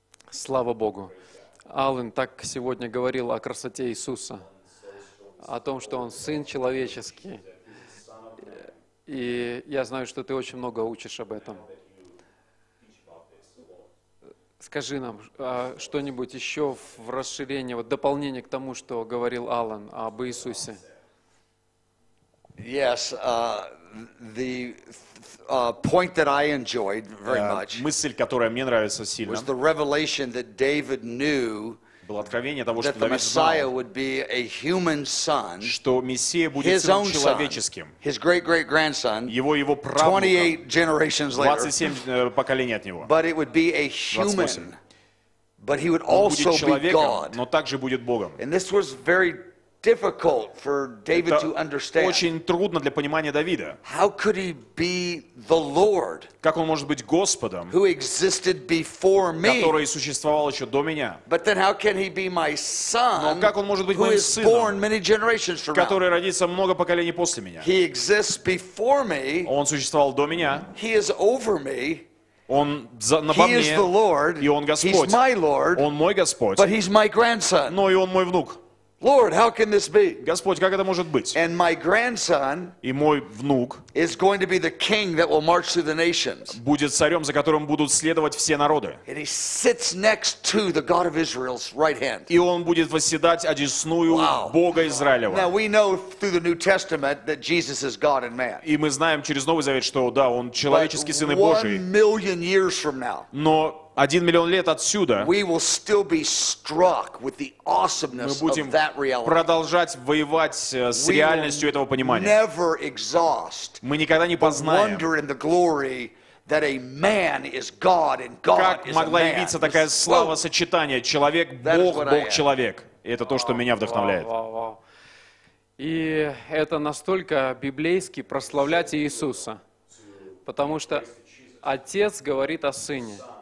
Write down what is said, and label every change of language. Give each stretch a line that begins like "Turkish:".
Russian: Слава Богу. Аллен так сегодня говорил о красоте Иисуса, о том, что Он Сын Человеческий. И я знаю, что ты очень много учишь об этом. Скажи нам что-нибудь еще в расширение, вот дополнение к тому, что говорил Аллен об Иисусе.
English: Yes, the point that I enjoyed very much.
Russian: Мысль, которая мне нравится сильно.
English: Was the revelation that David knew that the Messiah would be a human son,
Russian: что Мессия будет сыном человеческим,
English: his great-great-grandson,
Russian: его правнука,
English: 28 generations later, 27
Russian: поколений от него.
English: But it would be a human, but he would also be God.
Russian: Но также будет Богом.
English: And this was very difficult for David to understand.
Russian: Очень трудно для понимания Давида.
English: How could he be the Lord?
Russian: Как он может быть Господом?
English: Who existed before me?
Russian: Который существовал еще до меня.
English: But then how can he be my son?
Russian: Но как он может быть моим сыном?
English: Born many generations from now.
Russian: Который родится много поколений после меня.
English: He exists before me.
Russian: Он существовал до меня.
English: He is over me.
Russian: Он
English: He is the Lord.
Russian: И он Господь.
English: He's my Lord.
Russian: Он мой Господь.
English: But he's my grandson.
Russian: Но и он мой внук.
English: Lord, how can this be?
Russian: Господь, как это может быть?
English: And my grandson
Russian: и мой внук
English: is going to be the king that will march through the nations.
Russian: Будет царем, за которым будут следовать все народы.
English: And he sits next to the God of Israel's right hand.
Russian: И он будет восседать одесную Бога Израилева.
English: Now we know through the New Testament that Jesus is God and man.
Russian: И мы знаем через Новый Завет, что да, он человеческий сын и Божий.
English: But 1 million years from now.
Russian: Но 1 миллион лет отсюда
English: we will still be struck with the awesomeness
Russian: мы будем
English: of that reality.
Russian: Продолжать воевать с
English: we
Russian: реальностью этого понимания.
English: Never exhaust
Russian: мы никогда не познаем,
English: wonder in the glory that a man is God and God
Russian: как
English: is
Russian: могла
English: a man.
Russian: Явиться такая слава сочетания человек-бог, Бог-человек. Это то, что меня вдохновляет. И это настолько библейски прославлять Иисуса, потому что Отец говорит о Сыне.